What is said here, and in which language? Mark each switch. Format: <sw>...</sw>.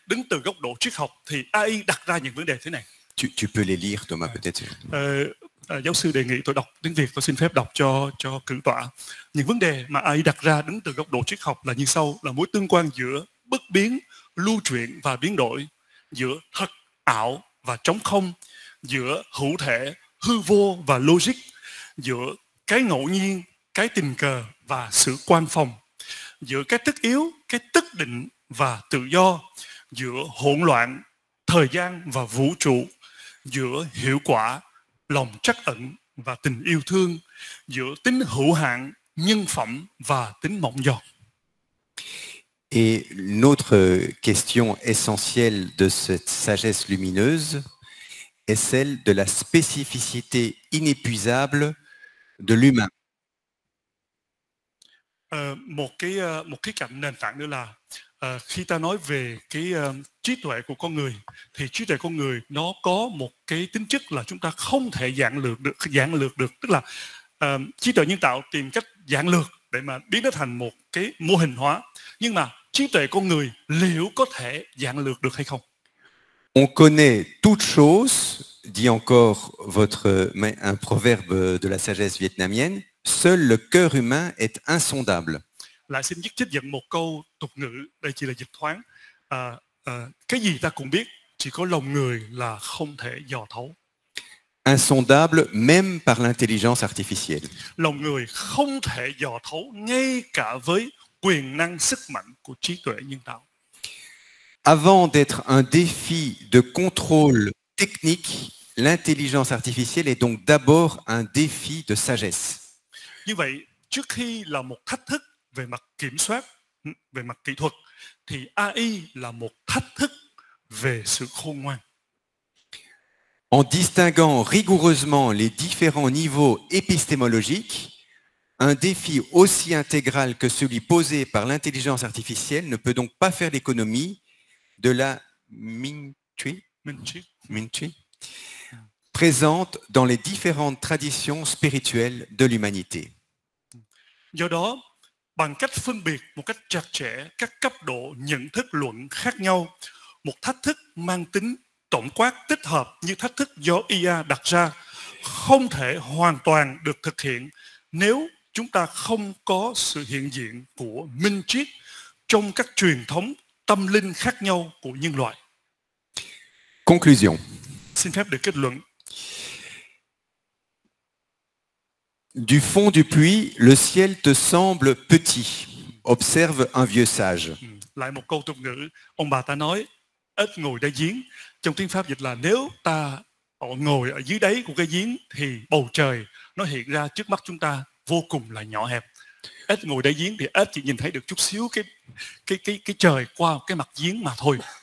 <vi>Đứng từ góc độ triết học, thì AI đặt ra những vấn đề thế này.</vi> <fr>Tu peux les lire, Thomas, peut-être.</fr> <vi>Giáo sư đề nghị tôi đọc tiếng Việt, tôi xin phép đọc cho cử tọa. Những vấn đề mà AI đặt ra đứng từ góc độ triết học là như sau, là mối tương quan giữa bất biến, lưu chuyển và biến đổi, giữa thật, ảo và trống không, giữa hữu thể, hư vô và logic, giữa cái ngẫu nhiên, cái tình cờ và sự quan phòng, giữa cái tất yếu, cái tất định và tự do, giữa hỗn loạn, thời gian và vũ trụ, giữa hiệu quả, lòng trắc ẩn và tình yêu thương, giữa tính hữu hạn, nhân phẩm và tính mộng giọt.</vi> <fr>Et l'autre question essentielle de cette sagesse lumineuse est celle de la spécificité inépuisable de l'humain.</fr> <vi>Một cái cạnh nền tảng nữa là khi ta nói về cái trí tuệ của con người, thì trí tuệ con người nó có một cái tính chất là chúng ta không thể giản lược được, tức là trí tuệ nhân tạo tìm cách giản lược để mà biến nó thành một cái mô hình hóa, nhưng mà trí tuệ con người liệu có thể giản lược được hay không?</vi> <fr>On connaît toute chose, dit encore un proverbe de la sagesse vietnamienne, seul le cœur humain est insondable.</fr> <vi>Là xin dịch trích dẫn một câu tục ngữ, đây chỉ là dịch thoáng. Cái gì ta cũng biết, chỉ có lòng người là không thể dò thấu.</vi> <fr>Insondable même par l'intelligence artificielle.</fr> <vi>Lòng người không thể dò thấu ngay cả với quyền năng sức mạnh của trí tuệ nhân tạo.</vi> <fr>Avant d'être un défi de contrôle technique, l'intelligence artificielle est donc d'abord un défi de sagesse.</fr> <vi>Như vậy, trước khi là một thách thức về mặt kiểm soát, về mặt kỹ thuật, thì AI là một thách thức về sự khôn ngoan.</vi> <fr>En distinguant rigoureusement les différents niveaux épistémologiques, un défi aussi intégral que celui posé par l'intelligence artificielle ne peut donc pas faire l'économie de la Minchi, présente dans les différentes traditions spirituelles de l'humanité.</fr> <vi>Do đó, bằng cách phân biệt một cách chặt chẽ các cấp độ nhận thức luận khác nhau, một thách thức mang tính tổng quát tích hợp như thách thức do IA đặt ra không thể hoàn toàn được thực hiện nếu chúng ta không có sự hiện diện của minh triết trong các truyền thống tâm linh khác nhau của nhân loại.</vi> <fr>Conclusion.</fr> <vi>Xin phép được kết luận.</vi> <fr>Du fond du puits, le ciel te semble petit, observe un vieux sage.</fr> <vi>Lại một câu tục ngữ, ông bà ta nói, ếch ngồi đáy giếng. Trong tiếng Pháp dịch là nếu ta ngồi ở dưới đáy của cái giếng thì bầu trời nó hiện ra trước mắt chúng ta vô cùng là nhỏ hẹp. Ếch ngồi đáy giếng thì ếch chỉ nhìn thấy được chút xíu cái trời qua cái mặt giếng mà thôi.</vi>